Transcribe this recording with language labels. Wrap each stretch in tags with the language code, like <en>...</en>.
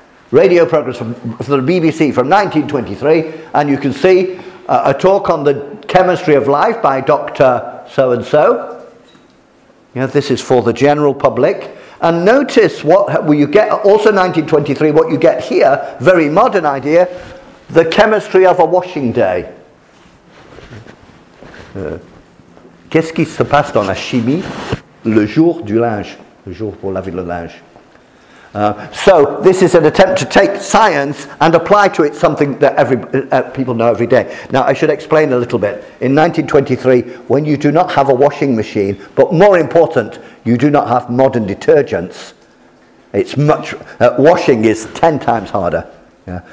<en>Radio programmes from the BBC from 1923, and you can see a talk on the chemistry of life by Dr. So-and-so. Yeah, this is for the general public. And notice what you get, also 1923, what you get here, very modern idea, the chemistry of a washing day.</en> <fr>Qu'est-ce qui se passe dans la chimie? Le jour du linge. Le jour pour laver le linge.</fr> <en>So this is an attempt to take science and apply to it something that people know every day. Now, I should explain a little bit. In 1923, when you do not have a washing machine, but more important, you do not have modern detergents, it's much washing is 10 times harder. Yeah.</en>